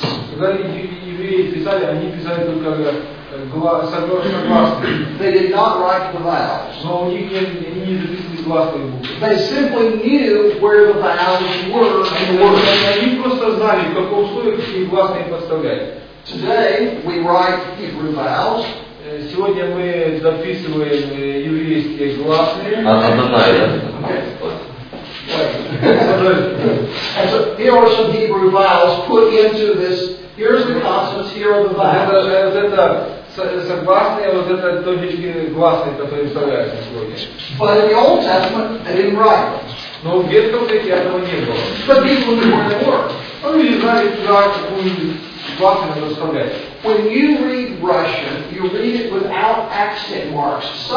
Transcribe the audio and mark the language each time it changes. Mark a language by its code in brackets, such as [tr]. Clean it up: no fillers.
[en] They did not write the vowels. They simply knew where the vowels were in the word. Today, we write Hebrew vowels. [ru] Сегодня мы записываем еврейские гласные. [en] And so here are some Hebrew vowels put into this. Here's the consonants. Here are the vowels. But in the Old Testament, they didn't write. [ru] Но в Ветхом Завете этого не было. [en] But people knew where they were. [ru] Люди знали, куда гласные расставлять. [en] When you read Russian, you read it without accent marks.